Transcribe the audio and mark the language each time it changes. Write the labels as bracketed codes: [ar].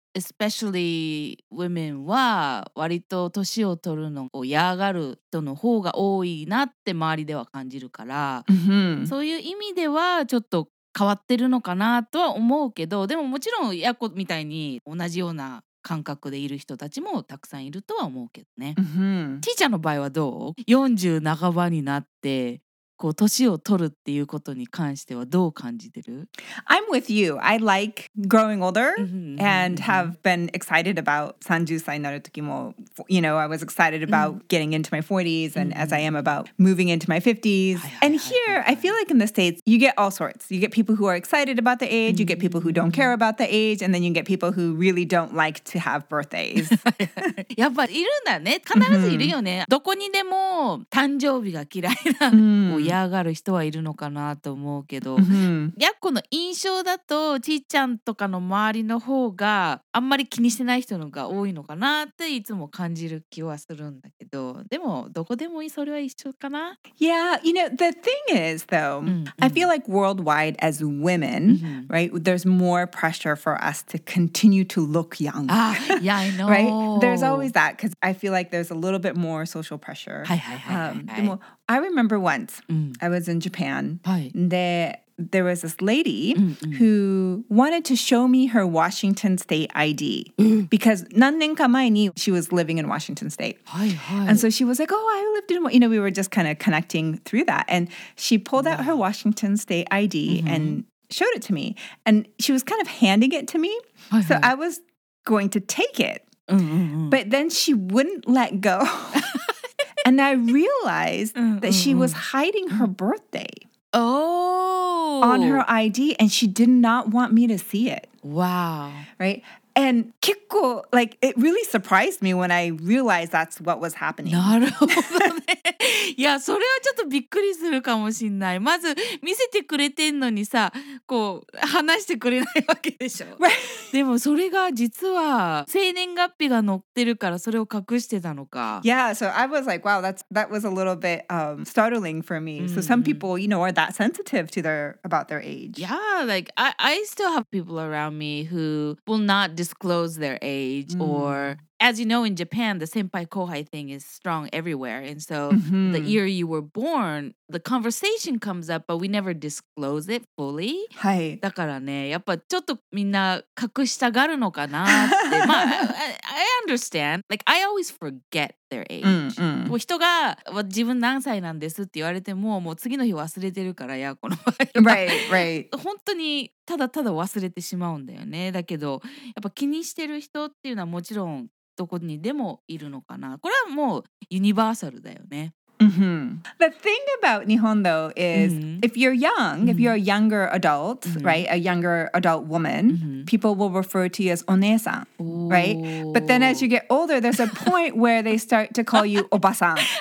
[en] Especially women [ja] は割と年を取るのを嫌がる人の方が多いなって周りでは感じるから、そういう意味ではちょっと変わってるのかなとは思うけど、でももちろんやこみたいに同じような感覚でいる人たちもたくさんいるとは思うけどね。ティーチャーの場合はどう？40半ばになってこう年を取るっていうことに関してはどう感じてる？ [en] I'm with you. I like growing older and have been excited about [ja] 30歳になる時も [en] You know, I was excited about getting into my 40s and as I am about moving into my 50s. And here, I feel like in the States, you get all sorts. You get people who are excited about the age, you get people who don't care about the age, and then you get people who really don't like to have birthdays. [ja] やっぱいるんだね。必ずいるよね。どこにでも誕生日が嫌いなの。嫌がる人はいるのかなと思うけど、やっこの印象だとちーちゃんとかの周りの方があんまり気にしてない人のが多いのかなっていつも感じる気はするんだけど、でもどこでもそれは一緒かな。 [en] Yeah, you know, the thing is though, I feel like worldwide as women, right, there's more pressure for us to continue to look young. Ah, yeah, I know. Right? There's always that, because I feel like there's a little bit more social pressure. [ja] はいはいはいはい、はい。 [en] でも、I remember once, I was in Japan, and there was this lady who wanted to show me her Washington State ID. Because [ja] 何年か前に [en] she was living in Washington State. And so she was like, oh, I lived in, you know, we were just kind of connecting through that. And she pulled out her Washington State ID and showed it to me. And she was kind of handing it to me. So I was going to take it. But then she wouldn't let go. And I realized that she was hiding her birthday on her ID, and she did not want me to see it. Wow. Right? And 結構 like, it really surprised me when I realized that's what was happening. [ja] なるほどね。いや、それはちょっとびっくりするかもしんない。まず、見せてくれてんのにさ、こう、話してくれないわけでしょ。でも、それが実は、生年月日が載ってるから、それを隠してたのか。 [en] Yeah, so I was like, wow, that was a little bit startling for me. So some people, you know, are that sensitive to about their age. Yeah, like, I still have people around me who will not disclose their age or as you know, in Japan, the senpai kohai thing is strong everywhere. And so mm-hmm. the year you were born, the conversation comes up, but we never disclose it fully. [ja] Hai. だからね、やっぱちょっとみんな隠したがるのかなって。 [en] まあ、I understand. Like, I always forget their age. Mm-hmm. [ja] もう人が、まあ、自分何歳なんですって言われても、もう次の日忘れてるから、いや、この場合は。 [en] Right, right. [ja] 本当にただただ忘れてしまうんだよね。だけど、やっぱ気にしてる人っていうのはもちろん、どこにでもいるのかな。これはもうユニバーサルだよね。 Mm-hmm. [en] The thing about Nihon, though, is mm-hmm. if you're young, mm-hmm. if you're a younger adult, mm-hmm. right, a younger adult woman, mm-hmm. people will refer to you as onesan, Ooh. Right? But then as you get older, there's a point where they start to call you obasan.